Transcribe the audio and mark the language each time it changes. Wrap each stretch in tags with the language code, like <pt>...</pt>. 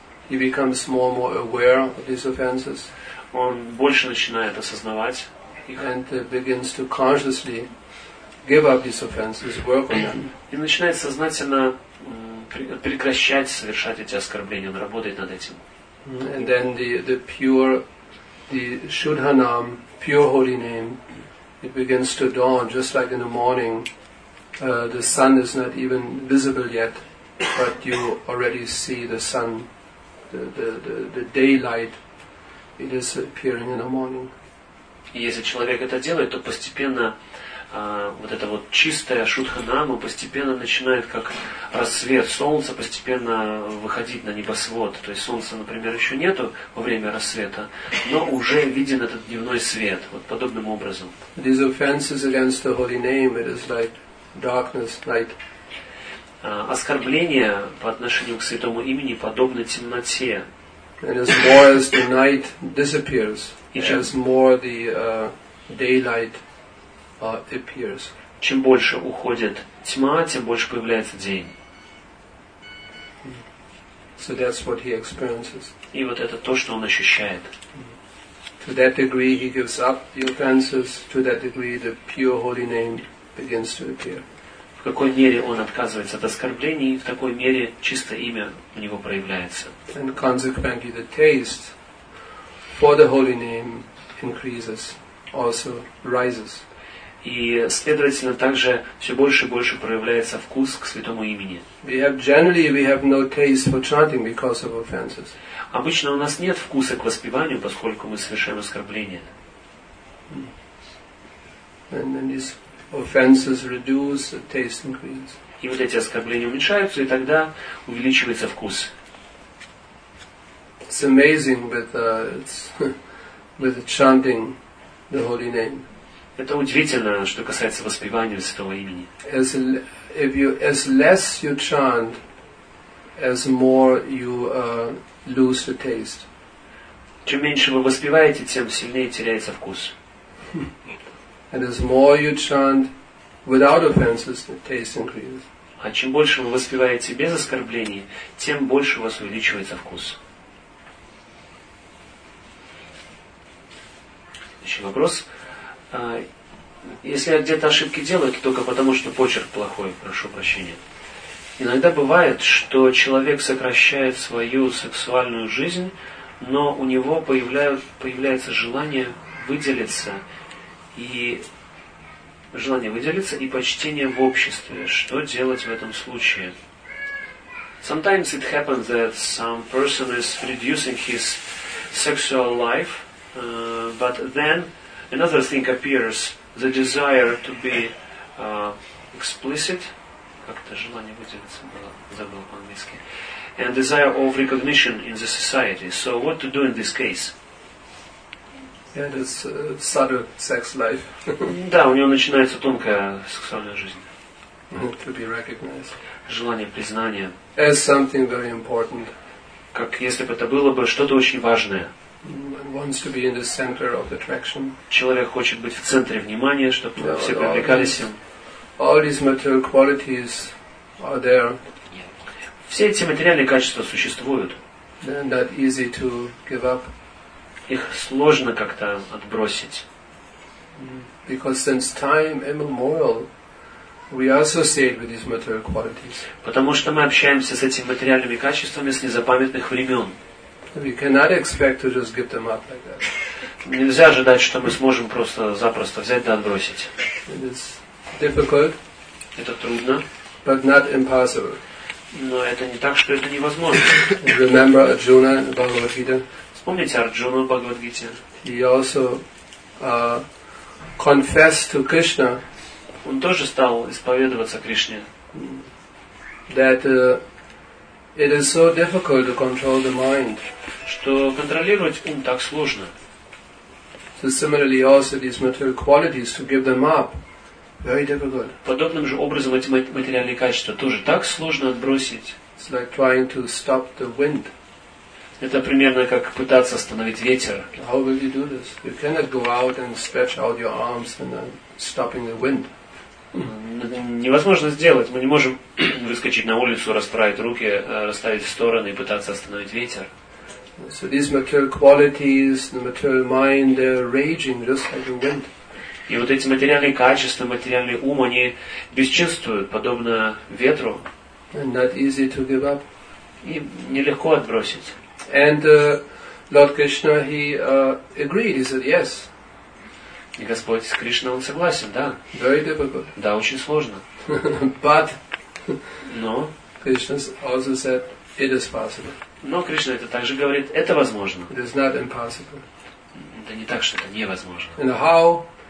<en>He becomes more and more aware of these offenses.</en> <ru>Он больше начинает осознавать их.</ru> <en>And begins to consciously give up these offenses, work on them.</en> <ru>И начинает сознательно прекращать совершать эти оскорбления, он работает над этим.</ru> <en>And then the pure, the Shuddha Nam, pure holy name, it begins to dawn, just like in the morning, the sun is not even visible yet, but you already see the sun, the daylight, it is appearing in the morning.</en> <ru>И если человек это делает, то постепенно вот эта вот чистая Шуддха Нама постепенно начинает, как рассвет солнца, постепенно выходить на небосвод. То есть солнца, например, еще нету во время рассвета, но уже виден этот дневной свет, вот подобным образом.</ru> <en>These offenses against the holy name, it is like darkness, light.</en> <ru>Оскорбления по отношению к святому имени подобны темноте.</ru> <en>And as more as the night disappears, as more the daylight appears.</en> <ru>Чем больше уходит тьма, тем больше появляется день.</ru> <en>So that's what he experiences.</en> <ru>И вот это то, что он ощущает.</ru> <en>To that degree he gives up the offenses, to that degree the pure holy name begins to appear.</en> <ru>В какой мере он отказывается от оскорблений, в такой мере чистое имя у него проявляется.</ru> <en>And consequently the taste for the holy name increases, also rises.</en> <ru>И, следовательно, также все больше и больше проявляется вкус к святому имени.</ru> <en>We have generally we have no taste for chanting because of offenses.</en> <ru>Обычно у нас нет вкуса к воспеванию, поскольку мы совершаем оскорбление.</ru> <en>And then these offenses reduce, the taste increases.</en> <ru>И вот эти оскорбления уменьшаются, и тогда увеличивается вкус.</ru> <en>It's amazing with chanting the holy name.</en> <ru>Это удивительно, что касается воспевания святого имени.</ru> <en>As if you as less you chant, as more you lose the taste.</en> <ru>Чем меньше вы воспеваете, тем сильнее теряется вкус.</ru> <en>And as more you chant without offenses, the taste increases.</en> <ru>А чем больше вы воспеваете без оскорблений, тем больше у вас увеличивается вкус. Еще вопрос. Если я где-то ошибки делаю, то только потому, что почерк плохой, прошу прощения. Иногда бывает, что человек сокращает свою сексуальную жизнь, но у него появляется желание выделиться и почтение в обществе. Что делать в этом случае?</ru> <en>Sometimes it happens that some person is reducing his sexual life, but then another thing appears, the desire to be explicit.</en> <ru>Как-то желание выделиться было, забыл по-английски.</ru> <en>And desire of recognition in the society. So what to do in this case? Yeah, it is subtle sex life.</en> <ru>Да, у него начинается тонкая сексуальная жизнь.</ru> <en>To be recognized.</en> <ru>Желание признания.</ru> <en>As something very important.</en> <ru>Как если бы это было бы что-то очень важное.</ru> <en>Wants to be in the center of attraction.</en> <ru>Человек хочет быть в центре внимания, чтобы yeah, все привлекались им.</ru> <en>All these material qualities are there.</en> <ru>Все эти материальные качества существуют.</ru> <en>Then that easy to give up.</en> <ru>Их сложно как-то отбросить.</ru> <en>Because since time immemorial, we associate with these material qualities.</en> <ru>Потому что мы общаемся с этими материальными качествами с незапамятных времен.</ru> <en>We cannot expect to just give them up like that.</en> <ru>Нельзя ожидать, что мы сможем просто запросто взять да отбросить.</ru> <en>Difficult,</en> <ru>это трудно,</ru> <en>but not impossible.</en> <ru>Но это не так, что это невозможно.</ru> <en>Remember Arjuna in the Bhagavad Gita.</en> <ru>Вспомните Арджуну в Бхагавад-гите.</ru> <en>He also confessed to Krishna.</en> <ru>Он тоже стал исповедоваться Кришне.</ru> <en>That it is so difficult to control the mind.</en> <ru>Что контролировать ум так сложно.</ru> <en>So similarly, also these material qualities to give them up.</en> <ru>Подобным же образом эти материальные качества тоже так сложно отбросить.</ru> <en>It's like trying to stop the wind.</en> <ru>Это примерно как пытаться остановить ветер.</ru> <en>How will you do this? You cannot go out and stretch out your arms and then stopping the wind.</en> <ru>Невозможно сделать. Мы не можем выскочить на улицу, расправить руки, расставить в стороны и пытаться остановить ветер.</ru> <en>So these material qualities, the material mind, they're raging just like the wind.</en> <ru>И вот эти материальные качества, материальный ум, они бесчинствуют, подобно ветру.</ru> <en>And not easy to give up.</en> <ru>И нелегко отбросить.</ru> <en>And Lord Krishna, he agreed, he said yes.</en> <ru>И Господь Кришна, он согласен, да.</ru> <en>Very difficult.</en> <ru>Да, очень сложно.</ru> <en>But</en> <ru>но</ru> <en>Krishna also said it is possible.</en> <ru>Но Кришна это также говорит, это возможно.</ru> <en>It is not impossible.</en> <ru>Это не так, что это невозможно.</ru> <en>And how?</en>